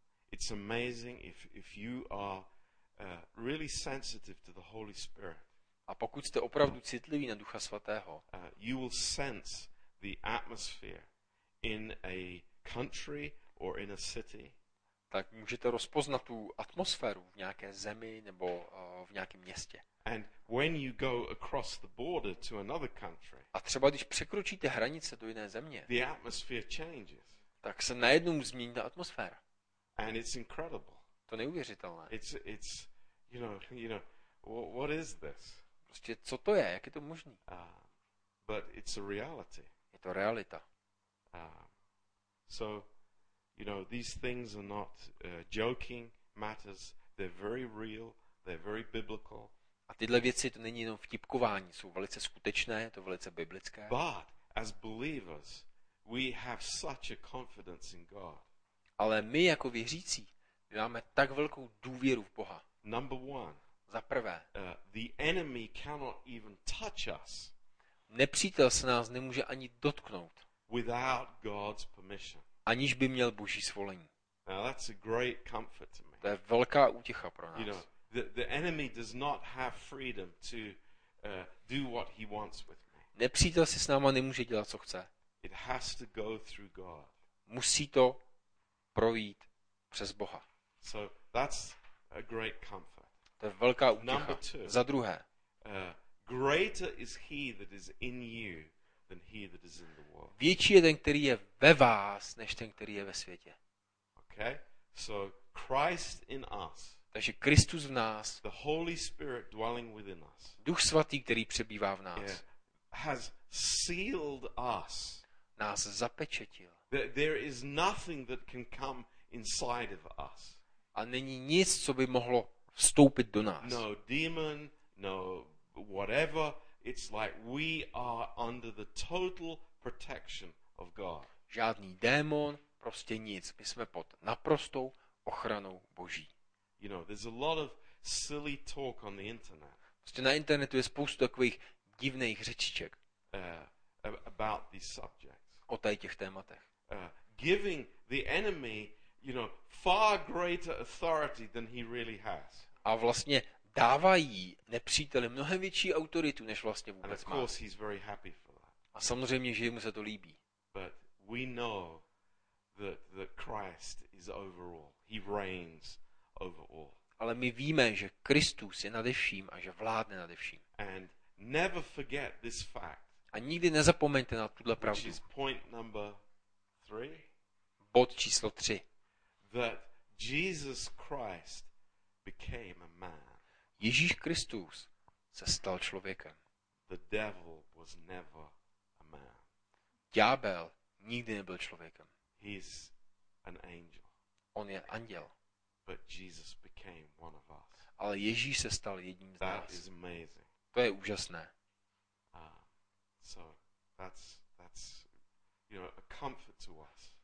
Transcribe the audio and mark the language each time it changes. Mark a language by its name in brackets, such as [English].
[English] It's amazing if you are really sensitive to the Holy Spirit. [Czech] A pokud jste opravdu citlivý na Ducha Svatého, [English] you will sense the atmosphere in a country or in a city. [Czech] Tak můžete rozpoznat tu atmosféru v nějaké zemi nebo v nějakém městě. [English] And when you go across the border to another country. [Czech] A třeba když překročíte hranice do jiné země. [English] The atmosphere changes. [Czech] Tak se najednou změní ta atmosféra. [English] And it's incredible. [Czech] To neuvěřitelné. [English] It's you know what is this? [Czech] Prostě co to je? Jak je to možný? [English] But it's a reality. [Czech] Je to realita. [English] So you know these things are not joking matters. They're very real. They're very biblical. [Czech] A tyhle věci to není jenom vtipkování, jsou velice skutečné, to velice biblické. [English] But as believers, we have such a confidence in God. [Czech] Ale my jako věřící máme tak velkou důvěru v Boha. [English] Number one. [Czech] Za prvé. [English] The enemy cannot even touch us. [Czech] Nepřítel se nás nemůže ani dotknout. [English] Without God's permission. [Czech] Aniž by měl Boží svolení. [English] Now that's a great comfort to me. [Czech] To je velká útěcha pro nás. [English] You know, the enemy does not have freedom to do what he wants with me. [Czech] Nepřítel si s náma nemůže dělat co chce. [English] It has to go through God. [Czech] Musí to projít přes Boha. [English] So that's a great comfort. [Czech] To je velká útěcha. Za druhé. [English] Greater is he that is in you than he that is in the world. [Czech] Větší je ten, který je ve vás, než ten, který je ve světě. [English] Okay? So Christ in us. [Czech] Takže Kristus v nás. [English] The Holy Spirit dwelling within us. [Czech] Duch svatý, který přebývá v nás. [English] Has sealed us. [Czech] Nás zapečetil. [English] There is nothing that can come inside of us. [Czech] A není nic, co by mohlo vstoupit do nás. [English] No demon, no whatever. It's like we are under the total protection of God. [Czech] Žádný démon, prostě nic. My jsme pod naprostou ochranou Boží. [English] You know, there's a lot of silly talk on the internet. [Czech] Prostě na internetu je spoustu takových divných řečiček. [English] About these subjects. [Czech] O tady těch tématech. [English] Giving the enemy, you know, far greater authority than he really has. [Czech] A vlastně dávají nepříteli mnohem větší autoritu, než vlastně vůbec má. [English] And of course he's very happy for that. [Czech] A samozřejmě, že mu se to líbí. [English] But we know that Christ is over all. He reigns over all. [Czech] Ale my víme, že Kristus je nade vším a že vládne nade vším. [English] And never forget this fact. [Czech] A nikdy nezapomeňte na tuhle pravdu. [English] Which is point number three. [Czech] Bod číslo 3. [English] That Jesus Christ became a man. [Czech] Ježíš Kristus se stal člověkem. [English] The devil was never a man. [Czech] Ďábel nikdy nebyl člověkem. [English] He's an angel. [Czech] On je anděl. [English] But Jesus became one of us. [Czech] Ale Ježíš se stal jedním z [English] that [Czech] nás. [English] Is amazing. [Czech] To je úžasné. [English] So that's you know, a comfort to us.